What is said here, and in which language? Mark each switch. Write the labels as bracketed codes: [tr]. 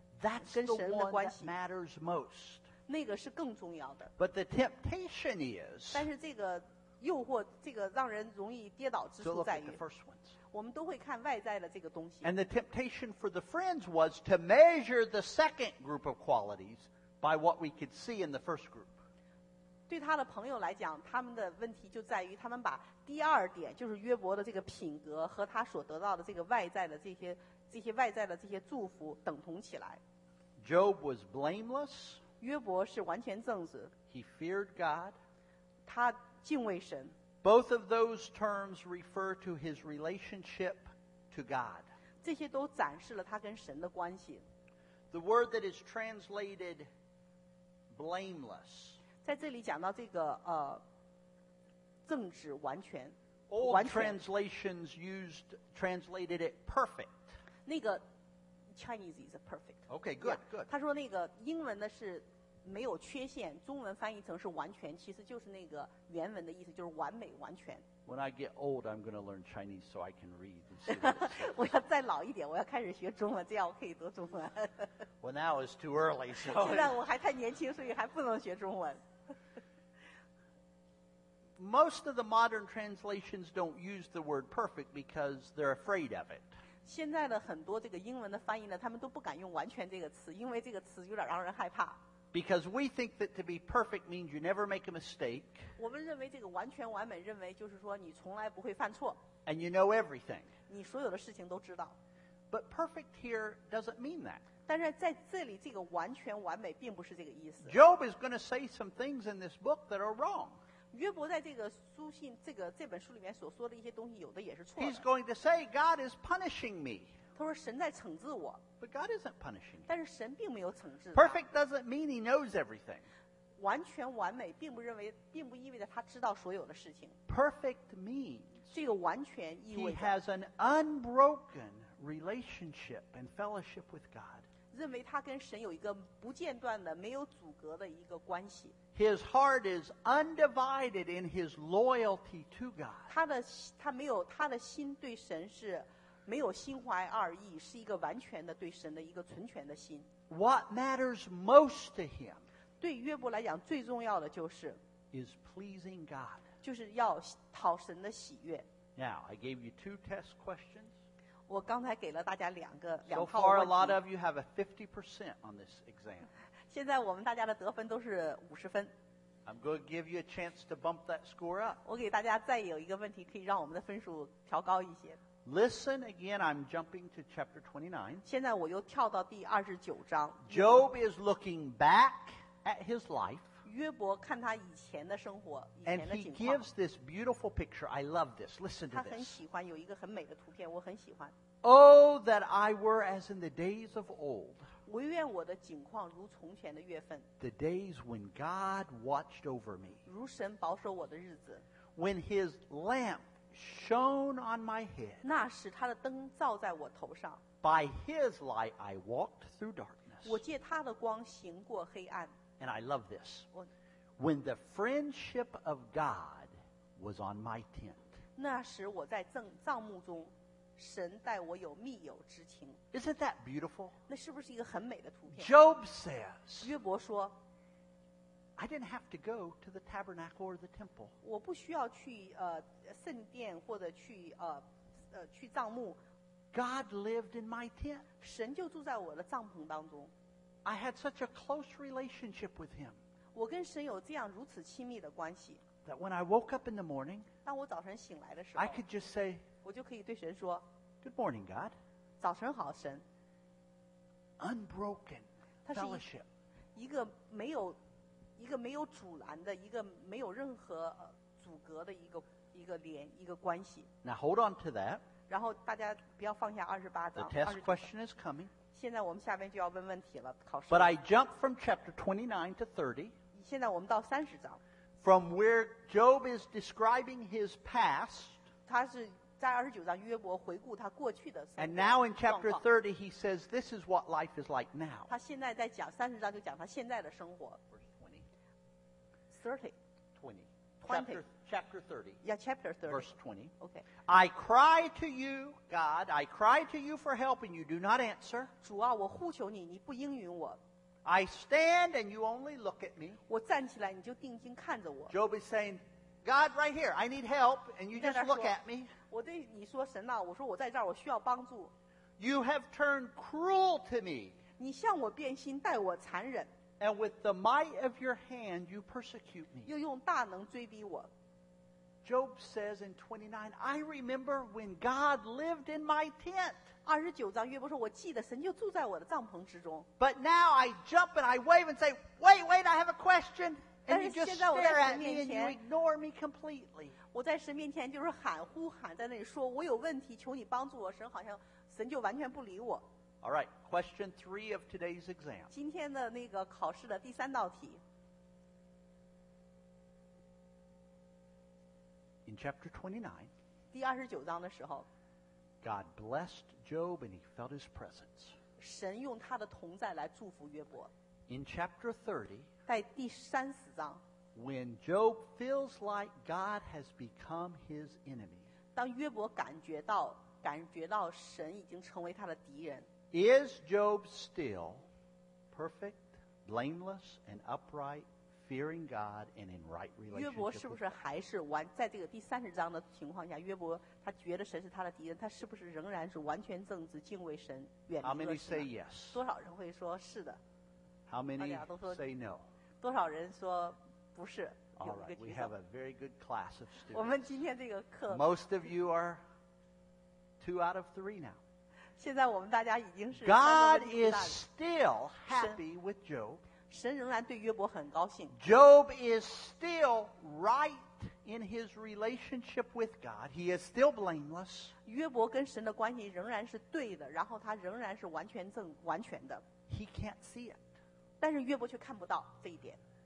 [en] That's the one that matters most. [zh] 那个是更重要的。 [en] But the temptation is. [zh] 但是这个诱惑，这个让人容易跌倒之处在于。 [en] The first ones. [zh] 我们都会看外在的这个东西。 [en] And the temptation for the friends was to measure the second group of qualities by what we could see in the first group. [zh] 对他的朋友来讲，他们的问题就在于他们把第二点，就是约伯的这个品格和他所得到的这个外在的这些。这些外在的这些祝福等同起来。 [en] Job was blameless. [zh] 约伯是完全正直。 [en] He feared God. [zh] 他敬畏神。 [en] Both of those terms refer to his relationship to God. [zh] 这些都展示了他跟神的关系。 [en] The word that is translated blameless. [zh] 在这里讲到这个正直完全。 [en] Old translations used translated it perfect. 那个 Chinese is perfect. Okay, good, good. [zh] 他说那个英文的是没有缺陷，中文翻译成是完全，其实就是那个原文的意思，就是完美完全。 [en] When I get old, I'm going to learn Chinese so I can read. [zh] 我要再老一点，我要开始学中文，这样我可以读中文。 [en] Well, now is too early. [zh] 现在我还太年轻，所以还不能学中文。 [en] Most of the modern translations don't use the word perfect because they're afraid of it. [zh] 现在的很多这个英文的翻译呢，他们都不敢用完全这个词，因为这个词有点让人害怕。 [en] Because we think that to be perfect means you never make a mistake. [zh] 我们认为这个完全完美，认为就是说你从来不会犯错。 [en] And you know everything. [zh] 你所有的事情都知道。 [en] But perfect here doesn't mean that. [zh] 但是在这里这个完全完美并不是这个意思。 [en] Job is going to say some things in this book that are wrong. [zh] 约伯在这个书信这个这本书里面所说的一些东西有的也是错的。 [en] He's going to say God is punishing me. [zh] 他说神在惩治我。 [en] But God isn't punishing me. [zh] 但是神并没有惩治。 [en] Perfect doesn't mean he knows everything. [zh] 完全完美并不认为并不意味着他知道所有的事情。 [en] Perfect means [zh] 这个完全意味着 [en] he has an unbroken relationship and fellowship with God. [zh] 认为他跟神有一个不间断的没有阻隔的一个关系。 [en] His heart is undivided in his loyalty to God. [zh] 他的心对神是没有心怀二意，是一个完全的对神的一个纯全的心。 [en] What matters most to him? [zh] 对约伯来讲最重要的就是 [en] is pleasing God. [zh] 就是要讨神的喜悦。 [en] Now, I gave you two test questions. [zh] 我刚才给了大家两套问题。 [en] So far, a lot of you have a 50% on this exam. [zh] 现在我们大家的得分都是50分。 [en] I'm going to give you a chance to bump that score up. [zh] 我给大家再有一个问题，可以让我们的分数调高一些。 [en] Listen again. I'm jumping to chapter 29. [zh] 现在我又跳到第29章。 [en] Job is looking back at his life. [zh] 约伯看他以前的生活，以前的景 [en] And he gives this beautiful picture. I love this. Listen to this. [zh] 他很喜欢有一个很美的图片，我很喜欢。 [en] Oh, that I were as in the days of old. [zh] 唯愿我的景况如从前的月份。 [en] The days when God watched over me. [zh] 如神保守我的日子。 [en] When his lamp shone on my head. [zh] 那时他的灯照在我头上。 [en] By his light I walked through darkness. [zh] 我借他的光行过黑暗。 [en] And I love this. When the friendship of God was on my tent. [zh] 那时我在帐幕中。神待我有密友之情。 [en] Isn't that beautiful? [zh] 那是不是一个很美的图片？ [en] Job says, [zh] 约伯说， [en] I didn't have to go to the tabernacle or the temple. [zh] 我不需要去圣殿或者去去帐幕。 [en] God lived in my tent. [zh] 神就住在我的帐篷当中。 [en] I had such a close relationship with him. [zh] 我跟神有这样如此亲密的关系。 [en] That when I woke up in the morning, [zh] 当我早晨醒来的时候， [en] I could just say, [zh] 我就可以对神说 [en] Good morning, God. [zh] 早晨好，神。 [en] Unbroken fellowship. [zh] 一个没有阻拦的，一个没有任何阻隔的一个关系。 [en] Now hold on to that. [zh] 然后大家不要放下28章。 [en] The test question is coming. [zh] 现在我们下面就要问问题了，考试。 [en] But I jump from chapter 29 to 30. [zh] 现在我们到30章。 [en] From where Job is describing his past. [zh] 他是在二十九章，约伯回顾他过去的。 [en] And now in chapter 30, he says, "This is what life is like now." [zh] 他现在在讲三十章，就讲他现在的生活。 [en] Verse 20. Thirty. Twenty. Chapter chapter 30. Yeah, chapter 30. Verse 20. Okay. I cry to you, God, I cry to you for help and you do not answer. [zh] 主啊，我呼求你，你不应允我。 [en] I stand and you only look at me. [zh] 我站起来，你就定睛看着我。 [en] Job is saying, God, right here, I need help and you just look at me. [zh] 我对你说，神啊，我说我在这儿，我需要帮助。 [en] You have turned cruel to me. [zh] 你向我变心，待我残忍。 [en] And with the might of your hand, you persecute me. [zh] 又用大能追逼我。 [en] Job says in 29, I remember when God lived in my tent. [zh] 29章约伯说，我记得神就住在我的帐篷之中。 [en] But now I jump and I wave and say, wait, wait, I have a question. And you just stare at me and you ignore me completely. [zh] 我在神面前就是喊呼喊在那里说，我有问题，求你帮助我。神好像神就完全不理我。 [en] All right, question three of today's exam. [zh] 今天的那个考试的第三道题。 [en] In chapter 29, [zh] 第二十九章的时候， [en] God blessed Job and he felt his presence. [zh] 神用他的同在来祝福约伯。 [en] In chapter 30, [zh] 在第三十章， [en] when Job feels like God has become his enemy, [zh] 当约伯感觉到神已经成为他的敌人。 [en] Is Job still perfect, blameless, and upright, fearing God and in right relationship? [zh] 约伯是不是还是完在这个第三十章的情况下，约伯他觉得神是他的敌人，他是不是仍然是完全正直、敬畏神、远离恶？ [en] How many say yes? [zh] 多少人会说是的 [en] ？How many say no? [zh] 多少人说不是 [en] ？All right, we have a very good class of students. [zh] 我们今天这个课 [en] ，Most of you are two out of three now. [zh] 现在我们大家已经是 [en] God is still happy with Job. [zh] 神仍然对约伯很高兴。 [en] Job is still right in his relationship with God. He is still blameless. [zh] 约伯跟神的关系仍然是对的，然后他仍然是完全的。 [en] He can't see it. [zh] 但是约伯却看不到这一点。